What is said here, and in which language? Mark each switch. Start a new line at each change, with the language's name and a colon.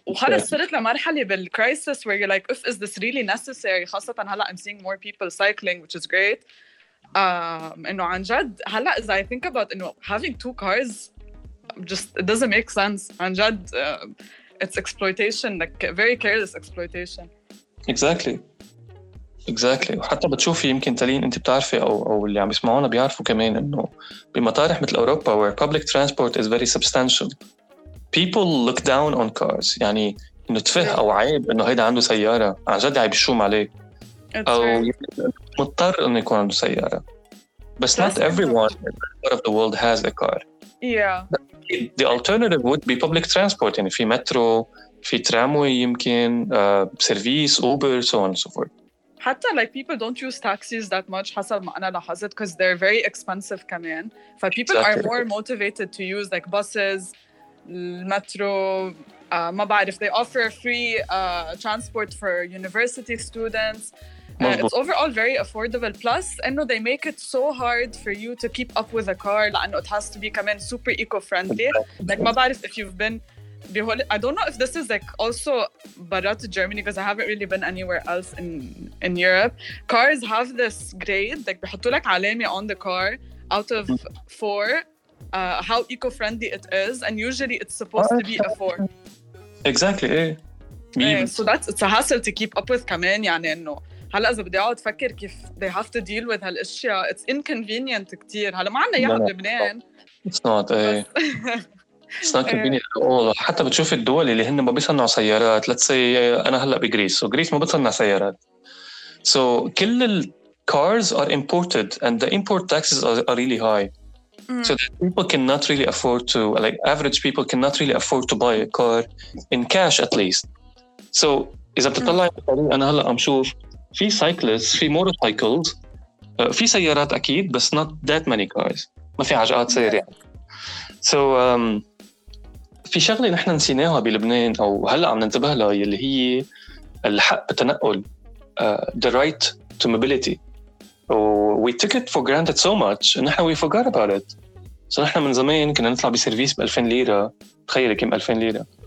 Arabic: وخلص صرت لمرحلة
English: بالcrisis where you're like is this really necessary
Arabic: خاصة هلا
English: I'm seeing more people cycling which is great
Arabic: إنه عن جد هلا
English: as I think about having two cars just it doesn't make sense
Arabic: عن جد
English: it's exploitation like very careless exploitation Exactly.
Arabic: وحتى بتشوفي يمكن تلين أنت بتعرفي أو اللي عم يسمعونا بيعرفوا كمان إنه بمطارح مثل أوروبا
English: where public transport is very substantial people look down on cars
Arabic: يعني إنه تفه أو عيب إنه هيدا عنده سيارة عن جد عيب شوم عليه أو مضطر إنه يكون عنده سيارة بس
English: not everyone in part of the world has a car yeah the alternative would be public transport
Arabic: يعني في مترو في تراموي يمكن سيرفيس أوبر
English: so on and so forth حتى like people don't use taxis that much
Arabic: حسب ما أنا لاحظت
English: because they're very expensive كمان فpeople exactly. are more motivated to use like buses
Arabic: المترو ما بعرف
English: they offer free transport for university students it's overall very affordable plus إنه they make it so hard for you to keep up with a car لأنه it has to be كمان super eco-friendly like
Arabic: ما بعرف
English: if you've been I don't know if this is like also barat to Germany because I haven't really been anywhere else in Europe. Cars have this grade, like they put like علامة on the car out of four, how eco-friendly it is, and usually it's supposed to be a four. Exactly. Yeah. So that's it's a hassle to keep up with.
Arabic: كمان يعني إنه هلا إذا بدي أقعد فكر كيف
English: they have to deal with
Arabic: هالأشياء.
English: It's inconvenient
Arabic: كتير. هلا ما عنا يا لبنان.
English: It's not. It's not convenient at all.
Arabic: حتى بتشوف الدول اللي هن ما بيصنعوا سيارات.
English: Let's say
Arabic: أنا هلأ بغريس. So غريس ما بتصنع سيارات.
English: So
Arabic: كل ال
English: cars are imported and the import taxes are really high. So people cannot really afford to like average people cannot really afford to buy a car in cash at least.
Arabic: So إذا بتطلع أنا هلأ عم شوف في cyclists في motorcycles في سيارات أكيد بس
English: not that many cars.
Arabic: ما في عجقات سير يعني. So في شغلة نحن نسيناها بلبنان أو هلأ عم ننتبه لها اللي هي الحق بتنقل
English: the right to mobility we took it for granted so much
Arabic: نحن
English: we forgot about it so
Arabic: نحن من زمان كنا نطلع بسيرفيس بألفين ليرة تخيلي كم ألفين ليرة